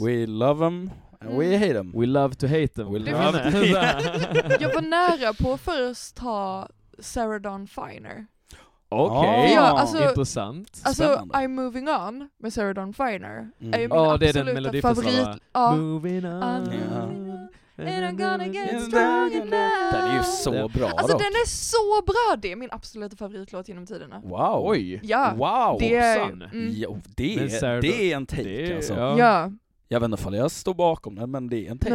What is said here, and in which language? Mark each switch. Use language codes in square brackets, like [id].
[en] We love them. We hate them. We love to hate them. [sv] Jag var nära på att först ta Sarah Dawn Finer. Okej, intressant. Alltså, spännande. I'm Moving On med Sarah Dawn Finer. Det är den melodifestivalen. Ja. [en] Moving on. And I'm gonna get strong enough. [sv] Den är ju så bra. Alltså, den är så bra. Det är min absoluta favoritlåt genom tiderna. Wow. Oj. Ja. Wow. Det är, det är en take. Det, alltså. Ja. Jag vet inte om jag står bakom det, men det är en take.